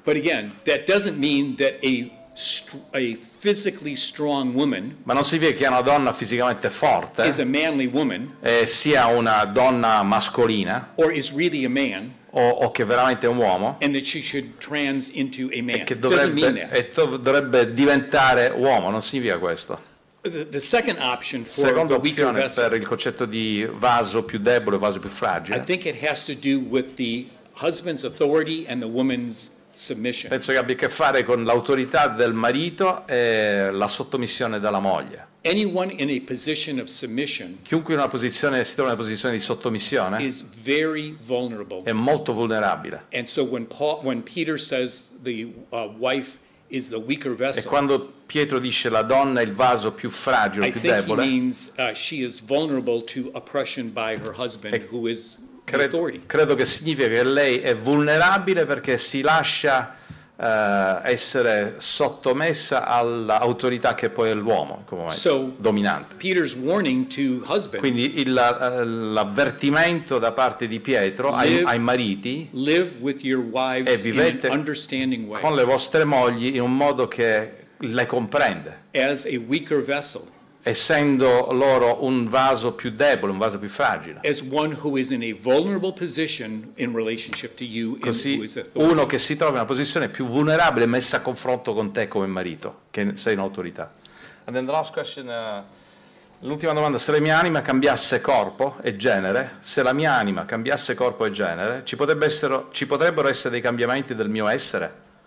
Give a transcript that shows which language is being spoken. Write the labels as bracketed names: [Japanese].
[English] But again, that doesn't mean that a physically strong woman, [Italian] ma non significa che è una donna fisicamente forte, [English] is a manly woman, [Italian] sia una donna mascolina, [English] or is really a man, [Italian] o che è veramente un uomo, [English] and that she should trans into a man, [Italian] e che dovrebbe diventare uomo, non significa questo. [English] The second option for [Italian] seconda [English] the [Italian] opzione [English] weaker vessel, [Italian] per il concetto di vaso più debole, vaso più fragile, [English] I think it has to do with the husband's authority and the woman's submission. [Italian] Penso che abbia a che fare con l'autorità del marito e la sottomissione della moglie. [English] Anyone in a position of submission, [Italian] chiunque in una posizione si trova in una posizione di sottomissione, [English] is very vulnerable. [Italian] È molto vulnerabile. [English] And so when Paul, when Peter says the wife is the weaker vessel, [Italian] e quando Pietro dice la donna è il vaso più fragile, più debole, [English] he means she is vulnerable to oppression by her husband, who is [Italian] credo che significa che lei è vulnerabile perché si lascia essere sottomessa all'autorità che poi è l'uomo come [English] so, [Italian] dominante. [English] Peter's warning to husbands, [Italian] quindi l'avvertimento da parte di Pietro ai mariti, [English] live with your wives [Italian] è vivete [English] in an understanding way, [Italian] con le vostre mogli in un modo che le comprende, [English] as a weaker vessel, [Italian] essendo loro un vaso più debole, un vaso più fragile. [English] As one who is in a vulnerable position in relationship to you, [Italian] così, [English] and who is authority. [Italian] Uno che si trova in una posizione più vulnerabile messa a confronto con te come marito, che sei in autorità. [English] And then the last question, [Italian] l'ultima domanda, se la mia anima cambiasse corpo e genere, se la mia anima cambiasse corpo e genere, ci potrebbero essere dei cambiamenti del mio essere?